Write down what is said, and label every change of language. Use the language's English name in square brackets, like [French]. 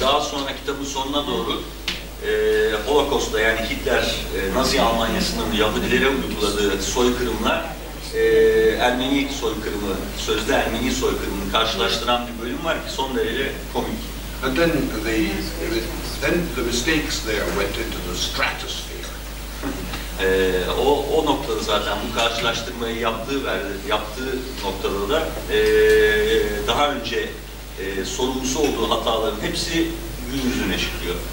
[Turkish] Daha sonra kitabın sonuna doğru Holocaust'ta, yani Hitler Nazi Almanyası'nın Yahudilere uyguladığı soykırımlar Ermeni soykırımı, sözde Ermeni soykırımını karşılaştıran bir bölüm var ki son derece komik. [English] And then the mistakes there went into the stratosphere. [Turkish] O noktada zaten bu karşılaştırmayı yaptığı noktada da daha önce sorumlusu olduğu hataların hepsi gün yüzüne çıkıyor.